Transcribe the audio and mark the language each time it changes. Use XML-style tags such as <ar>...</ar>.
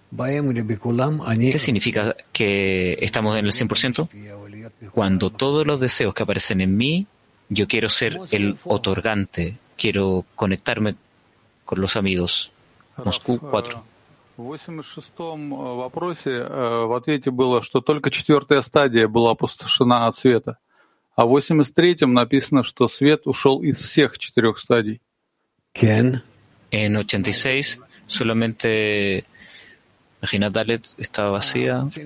<es>¿Qué significa que estamos en el 100%? Cuando todos los deseos que aparecen en mí, yo quiero ser el otorgante. Quiero conectarme con los amigos. Moscú 4.</es> <ru>В 86-м вопросе в ответе было, что только четвертая стадия была опустошена от света. А в 83-м написано, что свет ушел из всех четырех стадий. Кен?</ru> <es>En 86 solamente Regina Dalet estaba vacía.</es>